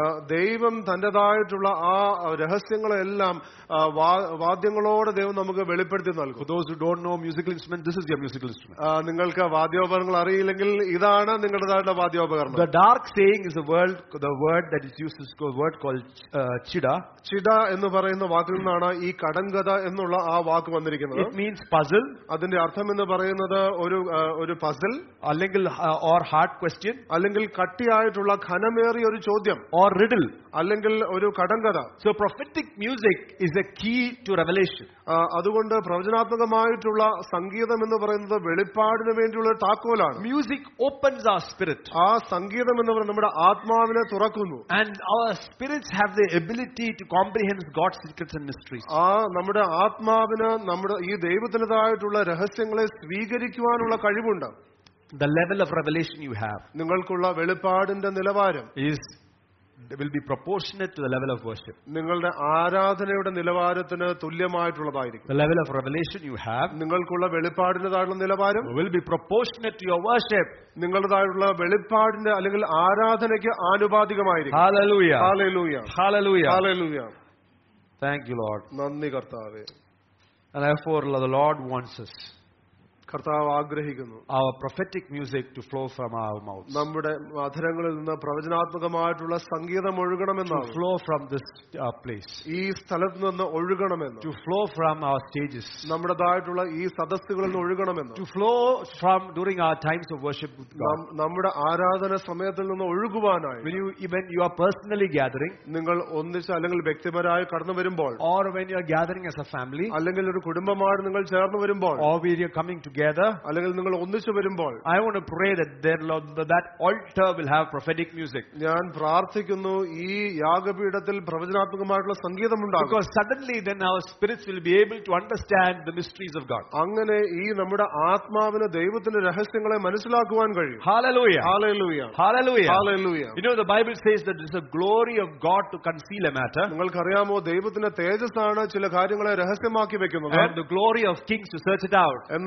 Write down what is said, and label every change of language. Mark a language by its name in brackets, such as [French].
[Malayalam] ദൈവം തന്റേതായിട്ടുള്ള ആ രഹസ്യങ്ങളെല്ലാം വാദ്യങ്ങളോട് ദൈവം നമുക്ക് വെളിപ്പെടുത്തി നൽകും. [English] For those who don't know musical instrument, this is your musical instrument. [Malayalam] നിങ്ങൾക്ക് വാദ്യോപകരണങ്ങൾ അറിയില്ലെങ്കിൽ ഇതാണ് നിങ്ങളുടേതായിട്ടുള്ള വാദ്യോപകരണം. [English] The dark saying is the word that is used, the word called chida. [Malayalam] ചിട എന്ന് പറയുന്ന വാക്കിൽ നിന്നാണ് ഈ കടങ്കഥ എന്നുള്ള ആ വാക്ക് വന്നിരിക്കുന്നത്. [English] It means puzzle. [Malayalam] അതിന്റെ അർത്ഥം എന്ന് പറയുന്നത് ഒരു പസിൽ അല്ലെങ്കിൽ [English] or hard question [Malayalam] അല്ലെങ്കിൽ കട്ടിയായിട്ടുള്ള ഘനമേറിയ ഒരു ചോദ്യം. [English] Or riddle. [Malayalam] അല്ലെങ്കിൽ ഒരു കടങ്കഥ. [English] So prophetic music is a key to revelation. [Malayalam] അതുകൊണ്ട് പ്രവചനാത്മകമായിട്ടുള്ള സംഗീതം എന്ന് പറയുന്നത് വെളിപ്പാടിന് വേണ്ടിയുള്ള താക്കോലാണ്. [English] Music opens our spirit. [Malayalam] ആ സംഗീതം എന്ന് പറയുന്നത് നമ്മുടെ ആത്മാവിനെ തുറക്കുന്നു. [English] And our spirits have the ability to comprehend God's secrets and mysteries. [Malayalam] ആ നമ്മുടെ ആത്മാവിനെ നമ്മുടെ ഈ ദൈവത്തിനതായിട്ടുള്ള രഹസ്യങ്ങളെ സ്വീകരിക്കുവാനുള്ള കഴിവുണ്ട്. [English] The level of revelation you have [Malayalam] നിങ്ങൾക്കുള്ള വെളിപ്പാടിന്റെ നിലവാരം [English] is will be proportionate to the level of worship. [Malayalam] നിങ്ങളുടെ ആരാധനയുടെ നിലവാരത്തിന് തുല്യമായിട്ടുള്ളതായിരിക്കും. [English] The level of revelation you have [Malayalam] നിങ്ങൾക്കുള്ള വെളിപ്പാടിന്റെതായുള്ള നിലവാരം [English] will be proportionate to your worship. [Malayalam] നിങ്ങളുടേതായിട്ടുള്ള വെളിപ്പാടിന്റെ അല്ലെങ്കിൽ ആരാധനയ്ക്ക് ആനുപാതികമായിരിക്കും. [English] Hallelujah. Hallelujah. Hallelujah. Hallelujah. Thank you, Lord. [Malayalam] നന്ദി കർത്താവേ. [English] And therefore the Lord wants us [Malayalam] കർത്താവ് ആഗ്രഹിക്കുന്നു [English] our prophetic music to flow from our mouths. [Malayalam] നമ്മുടെ മധുരങ്ങളിൽ നിന്ന് പ്രവചനാത്മകമായിട്ടുള്ള സംഗീതം ഒഴുകണമെന്നാണ് [English] flow from this place. [Malayalam] ഈ സ്ഥലത്തു നിന്ന് ഒഴുകണമെന്ന് [English] to flow from our stages. [Malayalam] നമ്മുടേതായിട്ടുള്ള ഈ സദസ്സുകളിൽ നിന്ന് ഒഴുകണമെന്ന് [English] to flow from during our times of worship with God. [Malayalam] നമ്മുടെ ആരാധന സമയത്തിൽ നിന്ന് ഒഴുകുവാനായി [English] when you even you are personally gathering [Malayalam] നിങ്ങൾ ഒന്നിച്ച് അല്ലെങ്കിൽ വ്യക്തിപരമായി കടന്നു വരുമ്പോൾ [English] or when you are gathering as a family [Malayalam] അല്ലെങ്കിൽ ഒരു കുടുംബമായി നിങ്ങൾ ചേർന്നു വരുമ്പോൾ [English] or we are coming together [Malayalam] നിങ്ങൾ ഒന്നിച്ചു വരുമ്പോൾ [English] I want to pray that there Lord that altar will have prophetic music. [Malayalam] ഞാൻ പ്രാർത്ഥിക്കുന്നു ഈ യാഗപീഠത്തിൽ പ്രവചനാത്മകമായിട്ടുള്ള സംഗീതം ഉണ്ടാകും. [English] Because suddenly then our spirits will be able to understand the mysteries of God. [Malayalam] അങ്ങനെ ഈ നമ്മുടെ ആത്മാവിനെ ദൈവത്തിന്റെ രഹസ്യങ്ങളെ മനസ്സിലാക്കുവാൻ കഴിയും. [English] Hallelujah. Hallelujah. Hallelujah. Hallelujah. You know the Bible says that it's a glory of God to conceal a matter. [Malayalam] നിങ്ങൾക്കറിയാമോ ദൈവത്തിന്റെ തേജസ്സാണ് ചില കാര്യങ്ങളെ രഹസ്യമാക്കി വെക്കുന്നത്. [English] And the glory of kings to search it out.